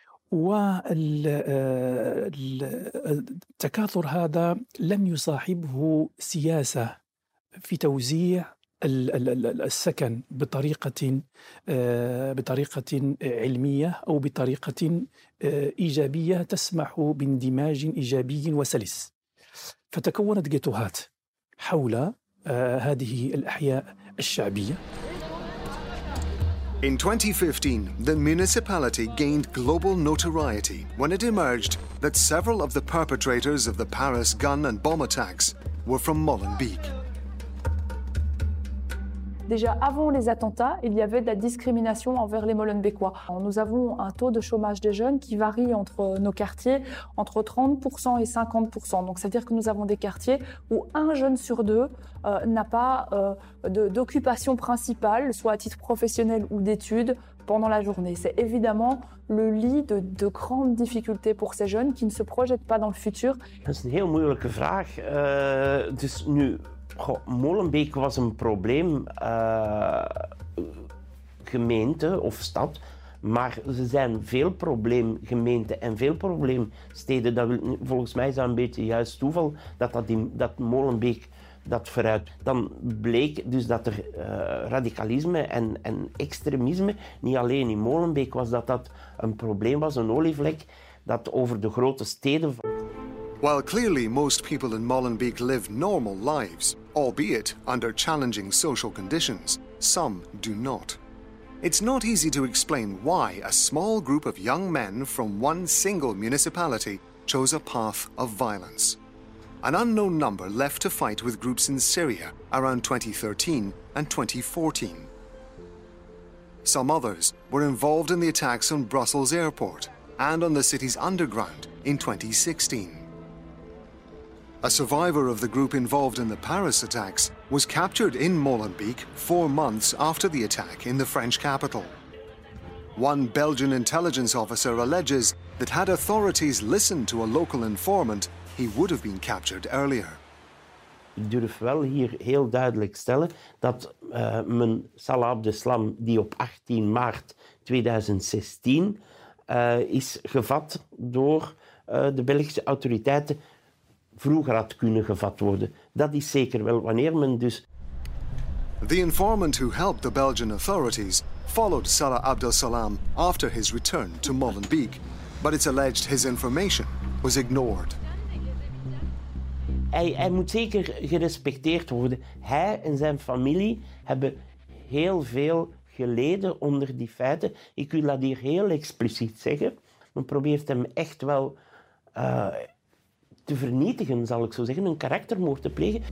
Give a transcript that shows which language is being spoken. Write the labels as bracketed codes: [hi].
[ar] والتكاثر هذا لم يصاحبه سياسة في توزيع السكن بطريقة علمية أو بطريقة إيجابية تسمح باندماج إيجابي وسلس. فتكونت جيتوهات حول هذه الأحياء الشعبية. [en] In 2015, the municipality gained global notoriety when it emerged that several of the perpetrators of the Paris gun and bomb attacks were from Molenbeek. [fr] Déjà avant les attentats, il y avait de la discrimination envers les Molenbeekois. Nous avons un taux de chômage des jeunes qui varie entre nos quartiers, entre 30% et 50%. Donc c'est-à-dire que nous avons des quartiers où un jeune sur deux n'a pas d'occupation principale, soit à titre professionnel ou d'études, pendant la journée. C'est évidemment le lit de grandes difficultés pour ces jeunes qui ne se projettent pas dans le futur. C'est une très [nl] moeilijke vraag. Dus nu... Goh, Molenbeek was een probleem, gemeente of stad, maar ze zijn veel probleemgemeenten en veel probleemsteden. Dat, volgens mij is dat een beetje juist toeval dat Molenbeek dat vooruit. Dan bleek dus dat er radicalisme en extremisme, niet alleen in Molenbeek was dat een probleem was, een olievlek, dat over de grote steden... [en] While clearly most people in Molenbeek live normal lives, albeit under challenging social conditions, some do not. It's not easy to explain why a small group of young men from one single municipality chose a path of violence. An unknown number left to fight with groups in Syria around 2013 and 2014. Some others were involved in the attacks on Brussels airport and on the city's underground in 2016. A survivor of the group involved in the Paris attacks was captured in Molenbeek 4 months after the attack in the French capital. One Belgian intelligence officer alleges that had authorities listened to a local informant, he would have been captured earlier. [nl] Ik durf wel hier heel duidelijk stellen dat mijn Salah Abdeslam, die op 18 maart 2016 is gevat door de Belgische autoriteiten vroeger had kunnen gevat worden. Dat is zeker wel wanneer men dus... [en] The informant who helped the Belgian authorities followed Salah Abdeslam after his return to Molenbeek, but it's alleged his information was ignored. [nl] Hij moet zeker gerespecteerd worden. Hij en zijn familie hebben heel veel geleden onder die feiten. Ik wil dat hier heel expliciet zeggen. Men probeert hem echt wel te vernietigen, zal ik zo zeggen, een karaktermoord te plegen.